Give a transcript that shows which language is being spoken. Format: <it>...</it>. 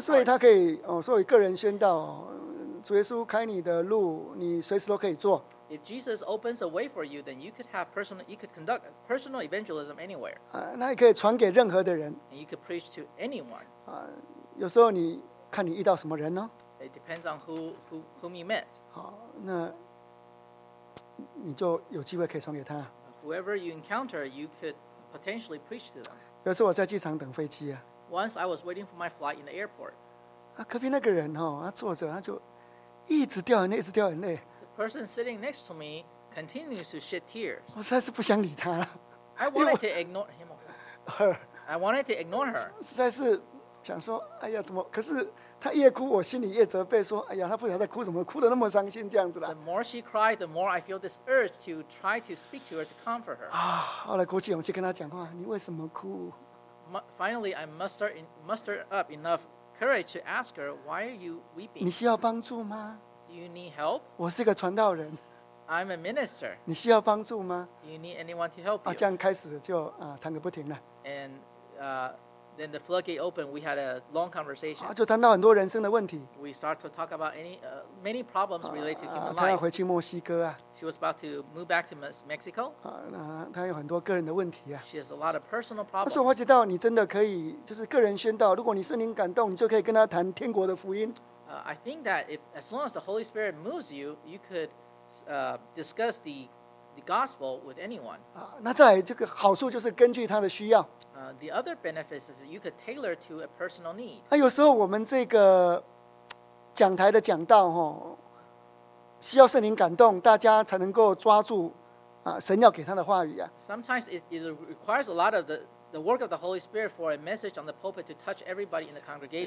<zh>所以他可以所以个人宣道，主耶稣开你的路，你随时都可以做。</zh> <en>If Jesus opens a way for you, then you could have personal, you could conduct personal evangelism anywhere.</en> <zh>那也可以传给任何的人。</zh> <en>And you could preach to anyone.</en> <zh>有时候你看你遇到什么人呢</zh> <en>？It depends on whom you met.</en> <zh>那你就有机会可以传给他。</zh> <en>Whoever you encounter, you could potentially preach to them.</en> <zh>有时候我在机场等飞机啊。</zh> <en>Once I was waiting for my flight in the airport.</en> <zh>隔壁那个人他坐着，他就一直掉眼泪，一直掉眼泪。</zh> <en>The person sitting next to me continues to shed tears.</en> <zh>我实在是不想理他了。</zh> <en>I wanted to ignore him. I wanted to ignore her.</en> <zh>实在是想说，哎呀，怎么？可是他越哭，我心里越责备，说，哎呀，他不晓得在哭什么，哭得那么伤心这样子了。</zh> <en>The more she cried, the more I feel this urge to try to speak to her to comfort her.</en> <zh>后来鼓起勇气跟他讲话，你为什么哭</zh> <en>？Finally, I muster up enough courage to ask her, why are you weeping?</en> <zh>你需要帮助吗</zh> <en>？You need help?</en> <zh>我是个传道人。</zh> <en>I'm a minister.</en> <zh>你需要帮助吗</zh> <en>？You need anyone to help you?</en> <zh>这样开始就谈个不停了。</zh> <en>And, Then the floodgate opened. We had a long conversation.</en> <zh>就谈到很多人生的问题。</zh> <en>We start to talk about many problems related to human life.</en> <zh>她要回去墨西哥啊。</zh> <en>She was about to move back to Mexico.</en> <zh>她有很多个人的问题啊。</zh> <en>She has a lot of personal problems.</en> <zh>她说：“我知道你真的可以，就是个人宣道。如果你圣灵感动，你就可以跟她谈天国的福音。</zh> <en>”I think that if as long as the Holy Spirit moves you, you could discuss the gospel with anyone.</en> <zh>那再来这个好处就是根据她的需要。</zh> <en>The other benefit is that you could tailor to a personal need.</en> <zh>有时候我们这个讲台的讲道需要圣灵感动，大家才能够抓住神要给他的话语啊。</zh> <en>Sometimes it requires a lot of the work of the Holy Spirit for a message on the pulpit to touch everybody in the congregation.</en>